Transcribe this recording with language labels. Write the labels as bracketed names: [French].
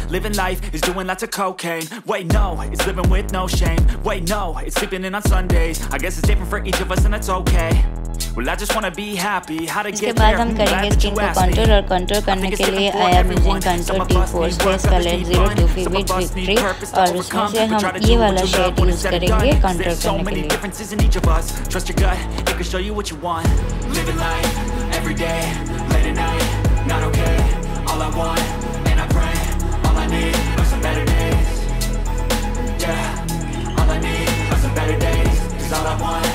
[English] Living life is doing lots of cocaine. Wait, no, it's living with no shame. Wait, no, it's sleeping in on Sundays. I guess it's different for each of us and it's okay. Well, I just want to be happy. How to get there? I'm glad that you asked me. Contour or contour [Hindi] करने के लिए [English] I am using contour T4 base color 02 which victory. [Hindi] और उसमें से हम ये वाला shade use करेंगे contour करने के लिए. [English] Differences in each of us. Trust your gut. It can show you what you want. Living life every day, late at night. Not okay. All I want. All I need are some better days. Yeah. All I need are some better days. 'Cause all I want.